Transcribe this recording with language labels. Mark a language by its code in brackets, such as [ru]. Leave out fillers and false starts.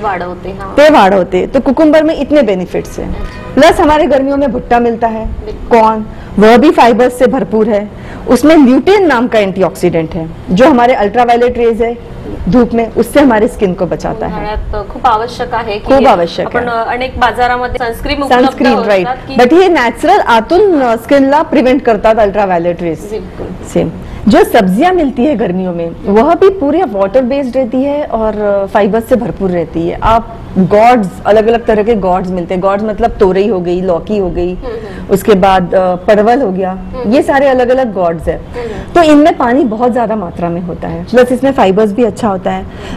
[mr] वाढ़ होते। [hi] तो कुकुम्बर में इतने बेनिफिट्स हैं। प्लस हमारे गर्मियों में भुट्टा मिलता है, कॉर्न, वह भी फाइबर्स से भरपूर है, उसमें ल्यूटेन नाम का एंटीऑक्सीडेंट है जो हमारे अल्ट्रावायलेट रेज है धूप में उससे हमारे स्किन को बचाता है, [mr] खूप आवश्यक आहे, खूप आवश्यक आहे। अनेक बाजारामध्ये सनस्क्रीन उपलब्ध सनस्क्रीन राइट, बट हे नॅचरल आतून स्किनला प्रिव्हेंट करतात अल्ट्रावायलेट रेज। [hi] सेम जो सब्जियां मिलती है गर्मियों में वह भी पूरे वाटर बेस्ड रहती है और फाइबर से भरपूर रहती है। आप गॉड्स अलग अलग तरह के गॉड्स मिलते हैं, गॉड्स मतलब तोरई हो गई, लौकी हो गई, उसके बाद परवल हो गया, ये सारे अलग अलग गॉड्स है, तो इनमें पानी बहुत ज्यादा मात्रा में होता है, प्लस इसमें फाइबर्स भी अच्छा होता है।